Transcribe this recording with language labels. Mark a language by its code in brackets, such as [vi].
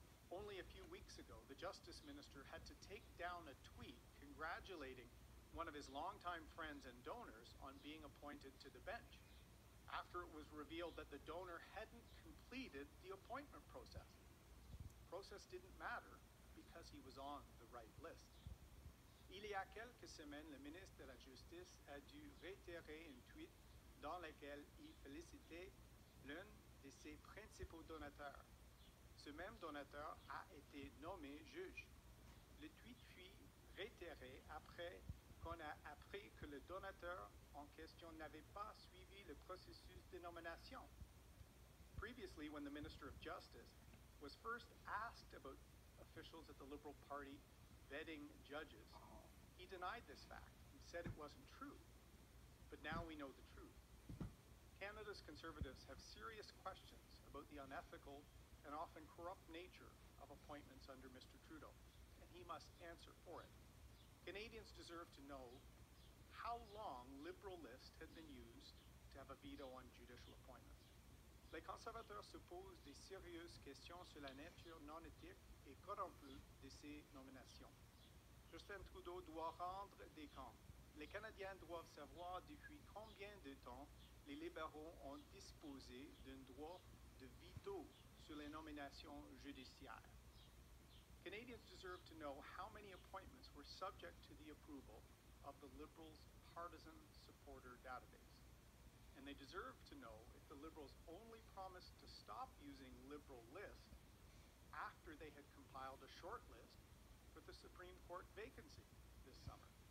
[en] Only a few weeks ago, the Justice Minister had to take down a tweet congratulating one of his longtime friends and donors on being appointed to the bench, after it was revealed that the donor hadn't completed the appointment process. Process didn't matter because he was on the right list. [fr] Il y a quelques semaines, le ministre de la Justice a dû réitérer un tweet dans lequel il félicitait l'un de ses principaux donateurs. Ce même donateur a été nommé juge. Le tweet fut réitéré après qu'on a appris que le donateur en question n'avait pas suivi le processus de nomination. [en] Previously, when the Minister of Justice was first asked about officials at the Liberal Party vetting judges, he denied this fact and said it wasn't true. But now we know the truth. Canada's Conservatives have serious questions about the unethical and often corrupt nature of appointments under Mr. Trudeau, and he must answer for it. Canadians deserve to know how long Liberal list had been used to have a veto on judicial appointments. [fr] Les conservateurs se posent des sérieuses questions sur la nature non éthique et corrompue de ces nominations. Justin Trudeau doit rendre des comptes. Les Canadiens doivent savoir depuis combien de temps les libéraux ont disposé d'un droit de veto sur les nominations judiciaires. [en] Canadians deserve to know how many appointments were subject to the approval of the Liberals' partisan supporter database. And they deserve to know if the Liberals only promised to stop using Liberal list after they had compiled a short list for the Supreme Court vacancy this summer.